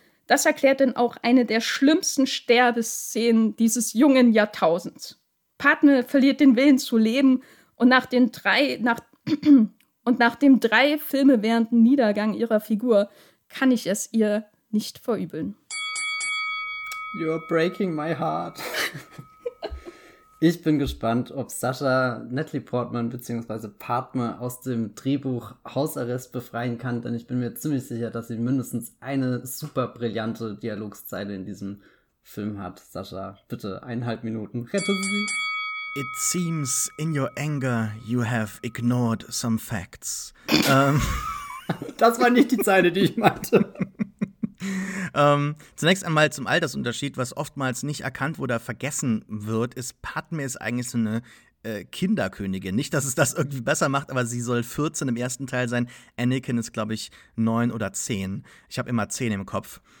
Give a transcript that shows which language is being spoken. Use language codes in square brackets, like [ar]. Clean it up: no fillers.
[de] Das erklärt dann auch eine der schlimmsten Sterbeszenen dieses jungen Jahrtausends. Padme verliert den Willen zu leben und nachdem 3 Filme währenden Niedergang ihrer Figur kann ich es ihr nicht verübeln. [en] You're breaking my heart. [de] Ich bin gespannt, ob Sascha Natalie Portman bzw. Padme aus dem Drehbuch Hausarrest befreien kann, denn ich bin mir ziemlich sicher, dass sie mindestens eine super brillante Dialogszeile in diesem Film hat. Sascha, bitte 1,5 Minuten. Rette sie. [en] It seems in your anger you have ignored some facts. [de] Das war nicht die Zeile, die ich meinte. Zunächst einmal zum Altersunterschied, was oftmals nicht erkannt oder vergessen wird, ist, Padme ist eigentlich so eine Kinderkönigin. Nicht, dass es das irgendwie besser macht, aber sie soll 14 im ersten Teil sein. Anakin ist, glaube ich, 9 oder 10. Ich habe immer 10 im Kopf.